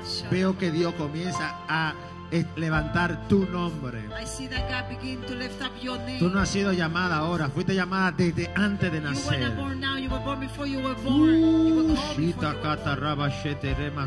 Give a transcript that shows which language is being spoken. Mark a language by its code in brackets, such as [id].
[es] Veo que Dios comienza a levantar tu nombre. [en] I see that God begin to lift up your name. [es] Tú no has sido llamada ahora, fuiste llamada desde antes de nacer. [en] You were born now, you were born before you were born. You were called before you were born.